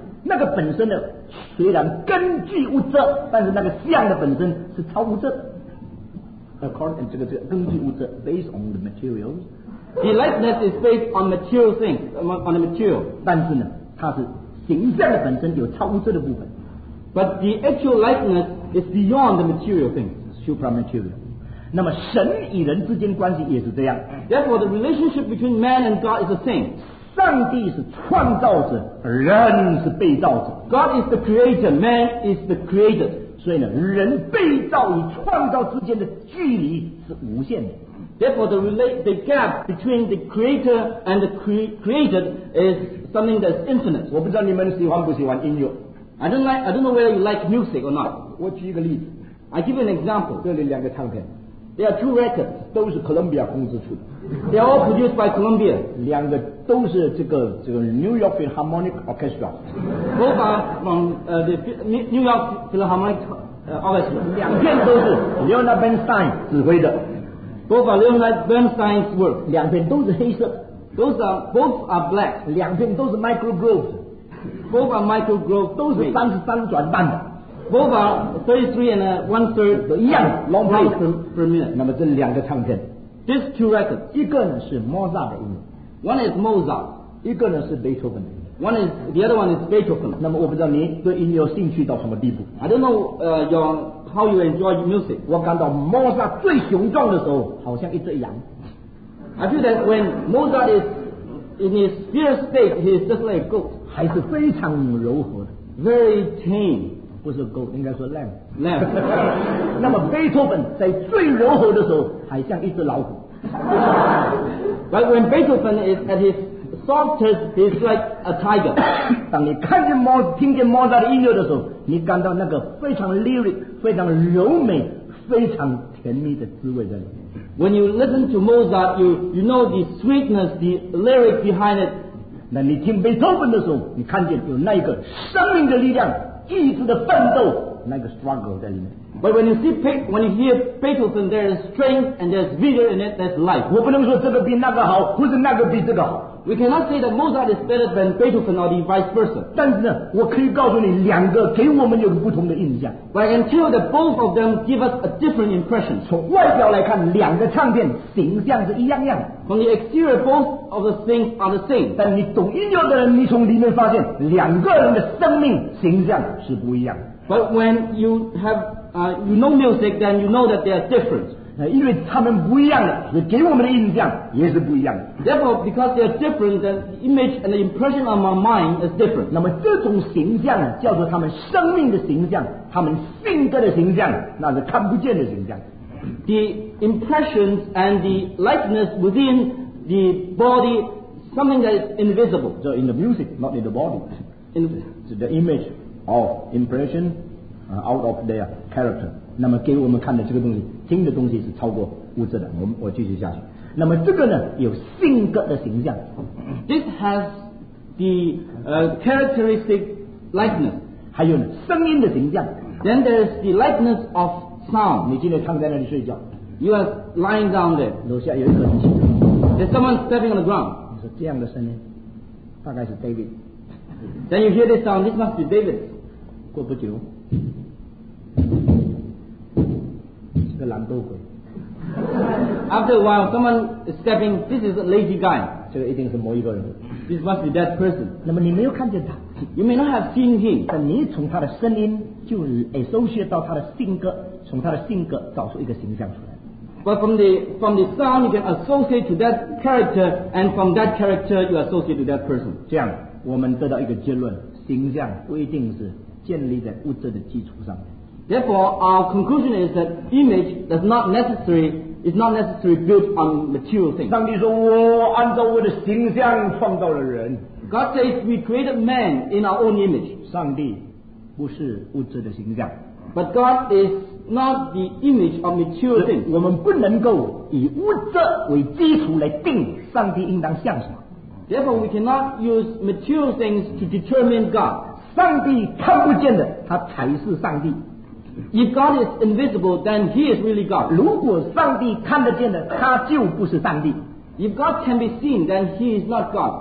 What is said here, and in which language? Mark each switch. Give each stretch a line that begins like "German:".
Chinese: 那个本身呢，虽然根据物质，但是那个像的本身是超物质。
English: According
Chinese: 这个根据物质
English: ，based on the materials， the likeness is based on material things， on the material。
Chinese: 但是呢，它是形象的本身有超物质的部分。
English: But the actual likeness is beyond the material thing, supramaterial.
Chinese: 那么神与人之间关系也是这样。
English: Therefore, the relationship between man and God is the same.
Chinese: 上帝是创造者，人是被造者。
English: God is the creator, man is the created.
Chinese: 所以呢，人被造与创造之间的距离是无限的。
English: Therefore, the gap between the creator and the created is something that's infinite.
Chinese: 我不知道你们喜欢不喜欢音乐。
English: I don't know whether you like music or not.
Chinese: 我举一个例子。
English: I give you an example.
Chinese: 这里两个唱片。
English: There are two records.
Chinese: 都是 Columbia 公司出的。
English: They are all produced by Columbia.
Chinese: 两个都是这个 New York Philharmonic Orchestra.
English: Both are from the New York Philharmonic Orchestra.
Chinese: 两片都是 Leonard Bernstein 指挥的。
English: Both are Leonard Bernstein's work.
Chinese: 两片都是黑色。
English: Both are black.
Chinese: 两片都是 Michael Groves。
English: Both are Michael Groves.
Chinese: 都是33转半的。
English: Both are 33 and a one third.
Chinese: 一样
English: long play per minute.
Chinese: 那么这两个唱片。
English: These two records.
Chinese: 一个呢是 Mozart 的音乐。
English: One is Mozart.
Chinese: 一个呢是 Beethoven 的音乐。
English: The other one is Beethoven.
Chinese: 那么我不知道你对音乐有兴趣到什么地步。
English: I don't know how you enjoy music.
Chinese: 我感到 Mozart 最雄壮的时候好像一只羊。
English: I feel that when Mozart is in his fierce state, he is just like a goat.
Chinese: 还是非常柔和的
English: ，very tame，
Chinese: 不是 goat， 应该说 lamb。
English: lamb 。
Chinese: 那么贝多芬在最柔和的时候，还像一只老虎。
English: But when Beethoven is at his softer, he's like a tiger.
Chinese: 当你看见猫，听见猫在音乐的时候，你感到那个非常 lyric, 非常柔美，非常甜蜜的滋味在里面。
English: When you listen to Mozart, you know the sweetness, the lyric behind it.
Chinese: 那你听贝多芬的时候，你看见有那个生命的力量，意志的奋斗，那个 struggle 在里面。
English: But when you see when you hear Beethoven, there is strength and there is vigor in it. There's life.
Chinese: 我不能说这个比那个好，或者那个比这个好。
English: We cannot say that Mozart is better than Beethoven or the vice versa.
Chinese: 但是呢，我可以告诉你，两个给我们有个不同的印象。
English: But I can tell that both of them give us a different impression.
Chinese: 从外表来看，两个唱片形象是一样样。
English: From the exterior, both of the things are the same.
Chinese: 但你懂音乐的人，你从里面发现两个人的生命形象是不一样。
English: But when you have you know music, then you know that they are different.
Chinese: 因为他们不一样的，所以给我们的印象也是不一样的。
English: Therefore, because they are different, then the image and the impression on my mind is different.
Chinese: 那么这种形象叫做他们生命的形象，他们性格的形象，那是看不见的形象。
English: The impressions and the likeness within the body, something that is invisible. So in the music, not in the body. So the image of impression. Out of their character.
Chinese: 那么给我们看的这个东西，听的东西是超过物质的。我继续下去。那么这个呢，有性格的形象。
English: This has the characteristic likeness.
Chinese: 还有呢，声音的形象。
English: Then there is the likeness of sound.
Chinese: 你今天躺在那里睡觉。
English: You are lying down there.
Chinese: 楼下有一个人。
English: There's someone stepping on the ground.
Chinese: 你说这样的声音，大概是 David.
English: Then you hear this sound. This must be David.
Chinese: 过不久。是个懒惰鬼。
English: After a while, someone is stepping. This is a lazy guy.
Chinese: 这个一定是某一个人。
English: This must be that person.
Chinese: 那么你没有看见他。
English: You may not have seen him.
Chinese: 但你从他的声音就 associate 到他的性格，从他的性格找出一个形象出来。
English: But from the sound, you can associate to that character, and from that character, you associate to that person.
Chinese: 这样，我们得到一个结论：形象不一定是建立在物质的基础上。
English: Therefore, our conclusion is that image is not necessary built on material things.
Chinese: 上帝说我按照我的形象创造了人。
English: God says we created man in our own image.
Chinese: 上帝不是物质的形象。
English: But God is not the image of material things.
Chinese: 我们不能够以物质为基础来定上帝应当像什么。
English: Therefore, we cannot use material things to determine God.
Chinese: 上帝看不见的，他才是上帝。
English: If God is invisible, then He is really God.
Chinese: 如果上帝看得见的，他就不是上帝。
English: If God can be seen, then He is not God.